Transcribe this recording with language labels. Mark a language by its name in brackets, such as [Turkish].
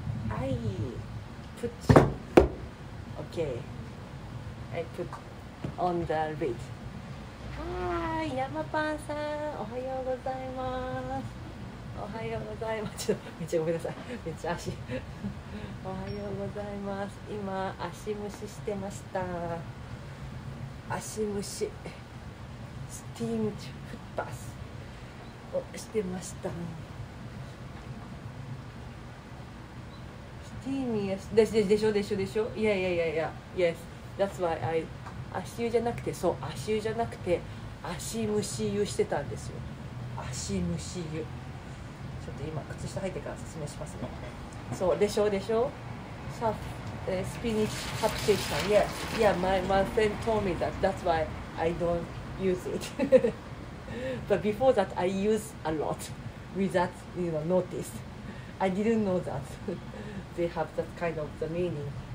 [English] I put okay. I put on the lid. [Japanese] はい、ヤマパンさん、おはようございます。おはようございます。ちょっとめっちゃごめんなさい。めっちゃ足。おはようございます。今足蒸ししてました。足蒸し。 [English] Steam foot bath。 [Japanese] をしてました。スティーミーです。でしょ。いやいやいやいや。Yes. [English] That's why I [Japanese] 足湯じゃなくて、そう、足湯じゃなくて足蒸し湯してたんですよ。足蒸し湯。ちょっと今靴下履いてから説明しますね。そうでしょでしょ。サフ、スピニッシュハプテッション。 [English] Yeah. Yeah. My friend told me that. That's why I don't use it. But before that, I use a lot without, you know, notice. I didn't know that they have that kind of the meaning.